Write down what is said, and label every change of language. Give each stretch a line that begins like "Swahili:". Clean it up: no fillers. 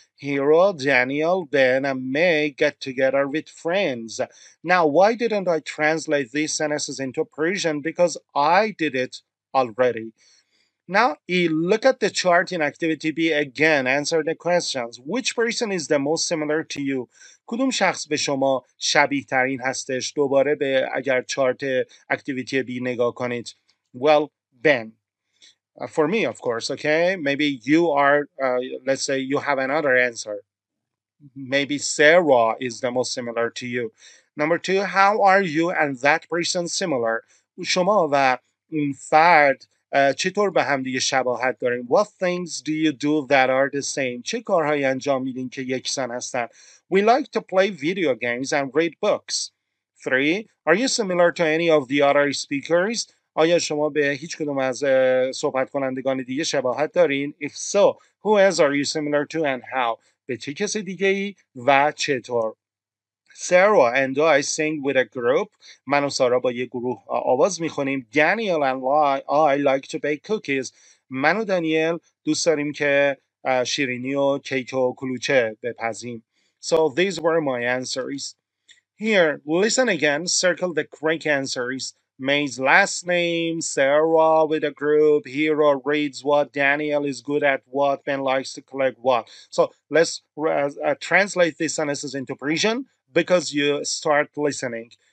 English: Hero, Daniel, Ben, and May get together with friends. Now, why didn't I translate these sentences into Persian? Because I did it already. Now, look at the chart in activity B again. Answer the questions. Which person is the most similar to you?
Persian: کدوم شخص به شما شبیه ترین هستش؟ دوباره به اگر چارت اکتیویتی B نگاه کنید.
English: Well, Ben. For me, of course, okay? Maybe you are, let's say you have another answer. Maybe Sarah is the most similar to you. Number two, how are you and that person similar?
Persian: شما و اون فرد چطور به هم دیگه شباهت دارین؟
English: What things do you do that are the same?
Persian: چه کارهایی انجام میدین که یکسان هستن؟
English: We like to play video games and read books. Three, are you similar to any of the other speakers?
Persian: آیا شما به هیچ کدوم از صحبت کنندگان دیگه شباهت دارین؟
English: If so, who else are you similar to and how?
Persian: به چه کسی دیگه ای و چطور؟
English: Sarah and I sing with a group.
Persian: من و سارا با یه گروه آواز میخونیم.
English: Daniel and I like to bake cookies.
Persian: من و دانیل دوست داریم که شیرینی و کیک و کلوچه بپزیم.
English: So these were my answers. Here, listen again, circle the correct answers. May's last name, Sarah with a group, Hero reads what, Daniel is good at what, Ben likes to collect what. So let's translate these sentences into Persian because you start listening.